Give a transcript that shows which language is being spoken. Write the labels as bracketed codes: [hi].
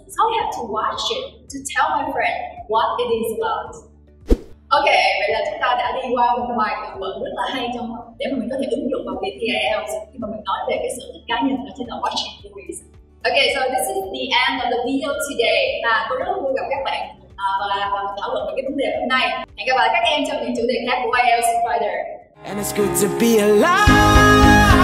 [en] So I have to watch it to tell my friend what it is about. [vi] Okay, vậy là chúng ta đã đi qua một bài từ vựng rất là hay trong để mà mình có thể ứng dụng vào việc IELTS khi mà mình nói về cái sở thích cá nhân đó chính là watching movies. [en] Okay, so this is the end of the video today. [vi] Và tôi rất vui gặp các bạn. Và thảo luận về cái vấn đề hôm nay. Hẹn gặp lại các em trong những chủ đề khác của IELTS Spider. [en] And it's good to be alive.